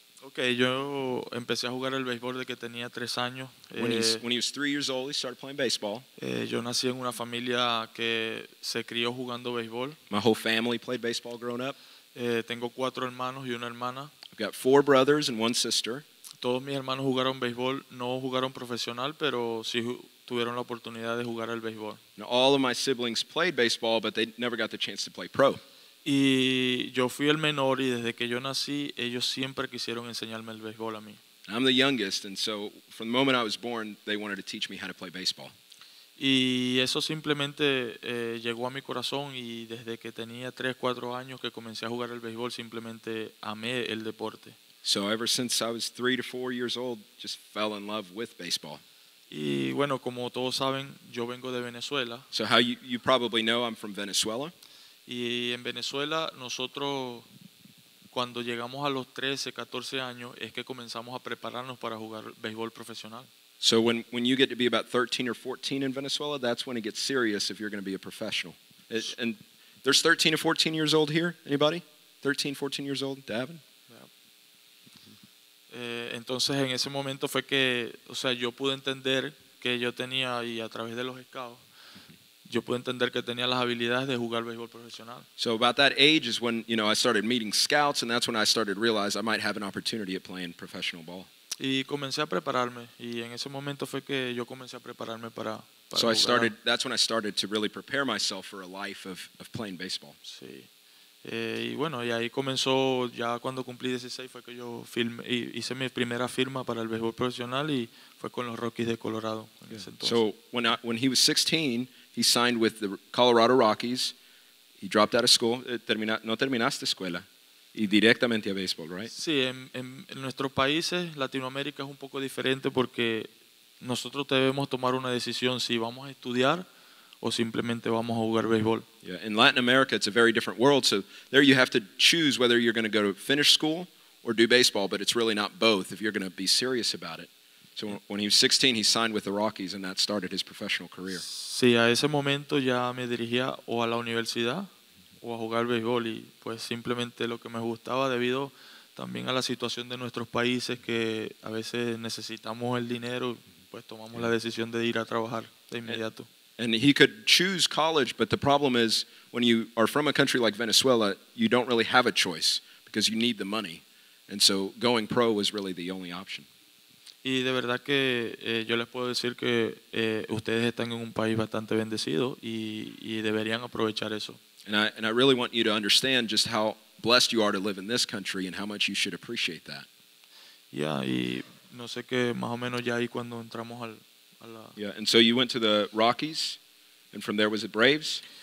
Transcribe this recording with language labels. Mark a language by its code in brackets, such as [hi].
[es] Okay, yo empecé a jugar el béisbol desde que tenía 3 años. [en] When he was 3 years old, he started playing baseball. [es] Yo nací en una familia que se crió jugando béisbol. [en] My whole family played baseball growing up. [es] Tengo 4 hermanos y una hermana. [en] I've got 4 brothers and 1 sister. [es] Todos mis hermanos jugaron béisbol, no jugaron profesional, pero sí tuvieron la oportunidad de jugar el béisbol. [en] Now, all of my siblings played baseball, but they never got the chance to play pro. [es] Y yo fui el menor y desde que yo nací, ellos siempre quisieron enseñarme el béisbol a mí. [en] I'm the youngest, and so from the moment I was born, they wanted to teach me how to play baseball. [es] Y eso simplemente llegó a mi corazón y desde que tenía 3-4 años que comencé a jugar el béisbol, simplemente amé el deporte. [en] So ever since I was 3 to 4 years old, just fell in love with baseball. [es] Y bueno, como todos saben, yo vengo de Venezuela. [en] So how you probably know, I'm from Venezuela. [es] Y en Venezuela, nosotros cuando llegamos a los 13-14 años, es que comenzamos a prepararnos para jugar béisbol profesional. [en] So when you get to be about 13 or 14 in Venezuela, that's when it gets serious if you're going to be a professional. And there's 13 or 14 years old here? Anybody? 13, 14 years old? Davin? Yeah. [es] Entonces, en ese momento fue que, o sea, yo pude entender que yo tenía, y a través de los scouts, yo pude entender que tenía las habilidades de jugar béisbol profesional. [en] So about that age is when, you know, I started meeting scouts, and that's when I started to realize I might have an opportunity at playing professional ball. [es] Y comencé a prepararme y en ese momento fue que yo comencé a prepararme para [en] so [es] jugar. [en] I started, that's when I started to really prepare myself for a life of playing baseball. [es] Sí. Y bueno, y ahí comenzó, ya cuando cumplí 16 fue que yo hice mi primera firma para el béisbol profesional y fue con los Rockies de Colorado en ese entonces. [en] So when he was 16, he signed with the Colorado Rockies. He dropped out of school. [es] No terminaste escuela. Y directamente a béisbol, [en] right? [es] Sí, en nuestros países, Latinoamérica es un poco diferente porque nosotros debemos tomar una decisión si vamos a estudiar o simplemente vamos a jugar béisbol. [en] Yeah, in Latin America it's a very different world, so there you have to choose whether you're going to go to finish school or do baseball, but it's really not both if you're going to be serious about it. So when he was 16, he signed with the Rockies, and that started his professional career. [es] Sí, a ese momento ya me dirigía o a la universidad o a jugar béisbol, y pues simplemente lo que me gustaba debido también a la situación de nuestros países que a veces necesitamos el dinero, pues tomamos la decisión de ir a trabajar de inmediato. [en] And he could choose college, but the problem is when you are from a country like Venezuela, you don't really have a choice because you need the money. And so going pro was really the only option. [es] Y de verdad que yo les puedo decir que ustedes están en un país bastante bendecido y deberían aprovechar eso. [en] And I really want you to understand just how blessed you are to live in this country and how much you should appreciate that. [es] Yeah, y no sé qué más o menos ya ahí cuando entramos al... [en] Yeah, and so you went to the Rockies, and from there was it Braves?